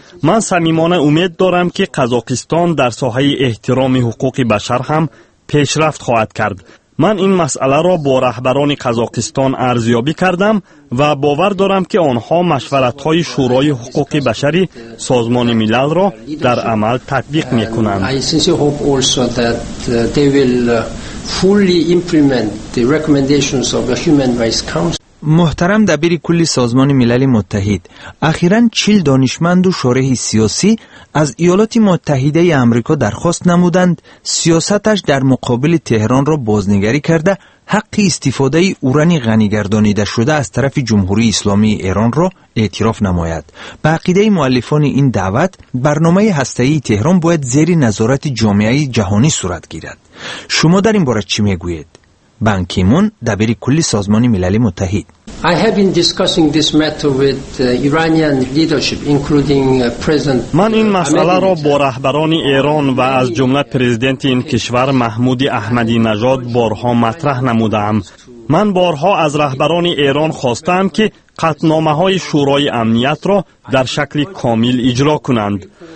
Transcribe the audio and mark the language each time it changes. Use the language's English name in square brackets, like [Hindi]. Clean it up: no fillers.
[Persian] من صمیمانه امید دارم که قزاقستان در ساحه احترام حقوق بشر هم پیشرفت خواهد کرد. من این مسئله را با رهبران قزاقستان ارزیابی کردم و باور دارم که آنها مشورت های شورای حقوق بشری سازمان ملل را در عمل تطبیق می کنند. [English] I sincerely hope also that they will fully implement the recommendations of the Human Rights Council. [Persian] محترم دبیر کلی سازمان ملل متحد، اخیراً 40 دانشمند و شورای سیاسی از ایالات متحده ای آمریکا درخواست نمودند سیاستش در مقابل تهران را بازنگری کرده حق استفاده اورانی غنیگردانیده شده از طرف جمهوری اسلامی ایران را اعتراف نماید. به عقیده مؤلفان این دعوت، برنامه هسته‌ای تهران باید زیر نظارت جامعه جهانی صورت گیرد. شما در این باره چی میگویید؟ بان کی مون دبیر کلی سازمان ملل متحد. [English] I have been discussing this matter with Iranian leadership including President. [Persian] من این مسئله را با رهبران ایران و از جمله پرزیدنت این کشور محمود احمدی نژاد بارها مطرح نمودم. من بارها از رهبران ایران خواستم که قطعنامه های شورای امنیت را در شکل کامل اجرا کنند.